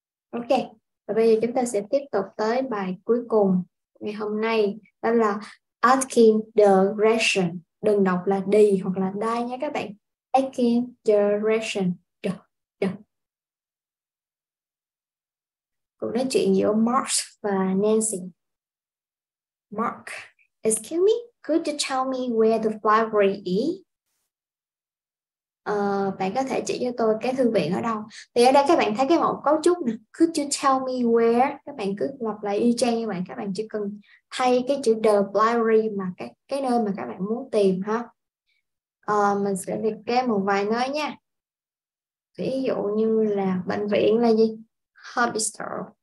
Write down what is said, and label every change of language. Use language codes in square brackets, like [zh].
[vi] Ok, và bây giờ chúng ta sẽ tiếp tục tới bài cuối cùng ngày hôm nay, đó là asking direction. Đừng đọc là đi hoặc là die nha các bạn. Asking direction. Cuộc nói chuyện giữa Mark và Nancy. [en] Mark, excuse me, could you tell me where the library is? [vi] Bạn có thể chỉ cho tôi cái thư viện ở đâu? Thì ở đây các bạn thấy cái mẫu cấu trúc nè. [en] Could you tell me where? [vi] Các bạn cứ lặp lại y chang như vậy. Các bạn chỉ cần thay cái chữ the library mà cái nơi mà các bạn muốn tìm ha. Mình sẽ liệt kê một vài nơi nha. Ví dụ như là bệnh viện là gì? Hospital.